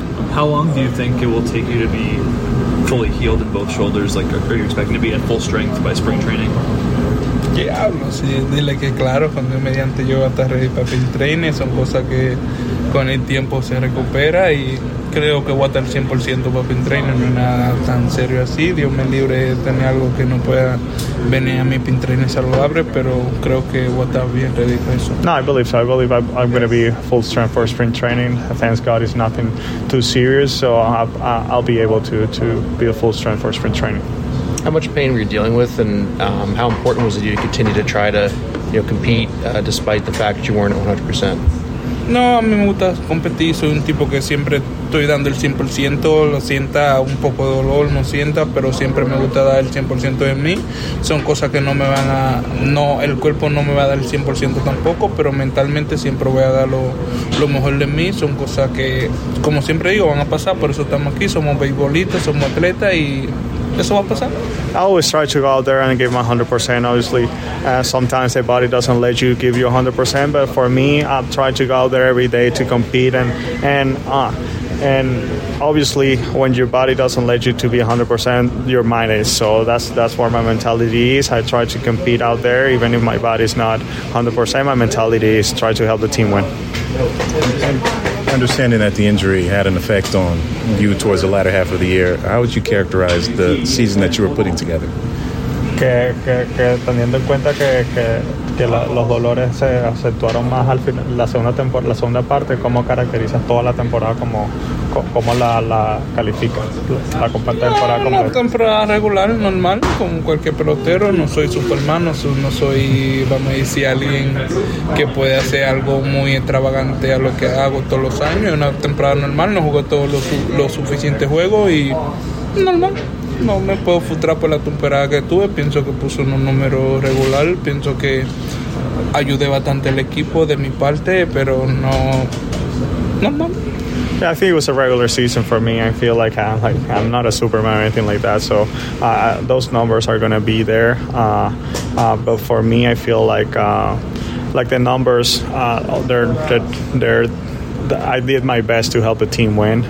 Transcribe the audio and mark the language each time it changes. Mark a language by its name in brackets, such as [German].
[English] How long do you think it will take you to be fully healed in both shoulders? Like, are you expecting to be at full strength by spring training? [Spanish] Diablo, sí, dile que claro, cuando mediante yo voy a estar ready para spring training, son cosas que con el tiempo se recupera y creo que voy a estar 100% para spring training, no es nada tan serio así. Dios me libre de tener algo que no pueda venir a mi spring training saludable, pero creo que voy a estar bien ready para eso. [English] No, I believe so. I believe I'm going to be full strength for spring training. Thanks God, it's nothing too serious, so I'll be able to be a full strength for spring training. How much pain were you dealing with, and how important was it to continue to try to, compete despite the fact that you weren't 100%? [Spanish] No, a mí me gusta competir. Soy un tipo que siempre estoy dando el 100%. Lo sienta un poco de dolor, no sienta, pero siempre me gusta dar el 100% de mí. Son cosas que no me van a. No, el cuerpo no me va a dar el 100% tampoco, pero mentalmente siempre voy a dar lo mejor de mí. Son cosas que, como siempre digo, van a pasar. Por eso estamos aquí. Somos beisbolistas, somos atletas y. [English] I always try to go out there and give my 100%. Obviously, sometimes the body doesn't let you give you 100%, but for me, I've tried to go out there every day to compete and obviously, when your body doesn't let you to be 100%, your mind is. So that's where my mentality is. I try to compete out there, even if my body's not 100%. My mentality is try to help the team win. Understanding that the injury had an effect on you towards the latter half of the year, how would you characterize the season that you were putting together? [Spanish] Que teniendo en cuenta que los dolores se acentuaron más al final la segunda parte, ¿cómo caracterizas toda la temporada como la califica la compacta temporada? No, una temporada regular, normal, como cualquier pelotero. No soy Superman, no soy, vamos a decir, alguien que puede hacer algo muy extravagante a lo que hago todos los años. Una temporada normal, no jugué todos los suficientes juegos y normal. No me puedo frustrar por la temporada que tuve. Pienso que puse un número regular. Pienso que ayudé bastante al equipo de mi parte, pero no. No, no. [English] Yeah, I think it was a regular season for me. I feel like I'm not a superman or anything like that. So those numbers are going to be there. But for me, I feel like the numbers, I did my best to help the team win.